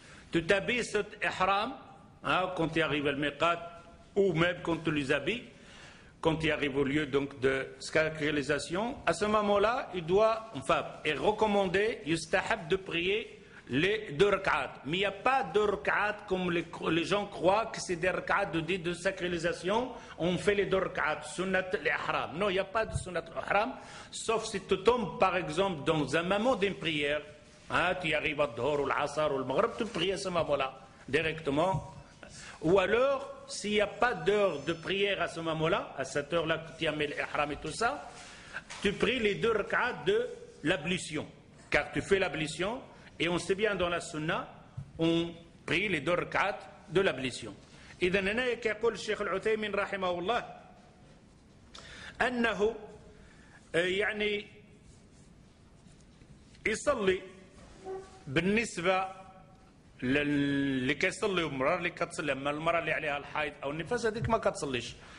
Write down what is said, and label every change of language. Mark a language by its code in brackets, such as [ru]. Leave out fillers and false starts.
[fr] Tu t'habilles cet ihram, hein, quand tu arrives à le miqat, ou même quand tu les habilles, quand tu arrives au lieu donc, de sacralisation, à ce moment-là, il doit, enfin, est recommandé, yustahab, de prier les deux rak'at. Mais il n'y a pas deux rak'at comme les gens croient que c'est des rak'at de sacralisation, on fait les deux rak'at, sunnat l'ihram. Non, il n'y a pas de sunnat l'ihram, sauf si tu tombes, par exemple, dans un moment d'une prière, Hein, tu arrives à Dhor ou l'Asar ou le Maghreb, tu pries à ce moment-là, directement. Ou alors, s'il n'y a pas d'heure de prière à ce moment-là, à cette heure-là que tu as mis l'Ihram et tout ça, tu pries les deux rak'at de l'ablution. Car tu fais l'ablution, et on sait bien dans la sunna, on prie les deux rak'at de l'ablution. Et dans l'année, il y a dit le Cheikh Al-Uthaymin, rahimahullah, [ar] أنه, يعني, يصلي بالنسبة للي كيصلي المرأة اللي كتصلي أما المرأة اللي عليها الحائض أو النفاس هذيك ما كتصليش